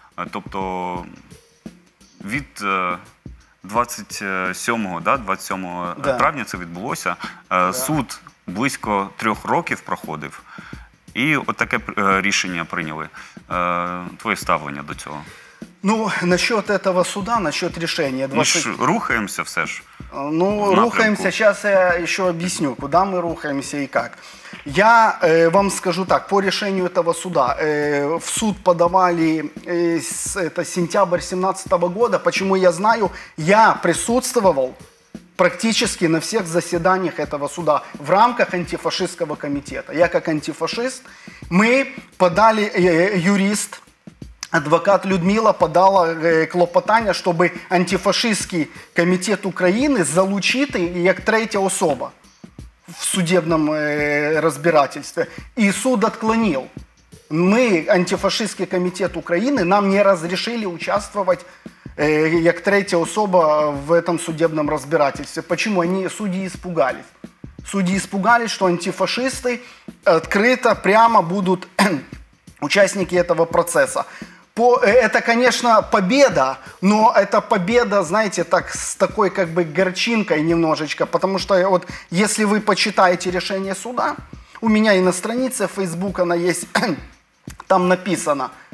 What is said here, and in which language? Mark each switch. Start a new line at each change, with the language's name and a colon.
Ukrainian: Тобто від 27 травня це відбулося. Суд близько 3 років проходив. І от таке рішення прийняли. Твоє ставлення до цього?
Russian: Ну, насчет этого суда, насчет решения... 20... Мы рухаемся все же. Ну, рухаемся. Сейчас я еще объясню, куда мы рухаемся и как. Я вам скажу так, по решению этого суда, в суд подавали это сентябрь 2017 года. Почему я знаю? Я присутствовал практически на всех заседаниях этого суда в рамках антифашистского комитета. Я как антифашист, мы подали юрист...
Ukrainian: Адвокат Людмила подала клопотання, щоб антифашистський комітет України залучити як третя особа в судебному розбирательстві. І суд відклонив. Ми, антифашистський комітет України, нам не дозволили участвувати як третя особа в цьому судебному розбирательстві. Чому? Судді спугались. Судді спугались, що антифашисти відкрито, прямо будуть учасники цього процесу.
Russian: Это, конечно, победа, но это победа, знаете, так с такой как бы горчинкой немножечко, потому что вот если вы почитаете решение суда, у меня и на странице Фейсбука она есть, там написано,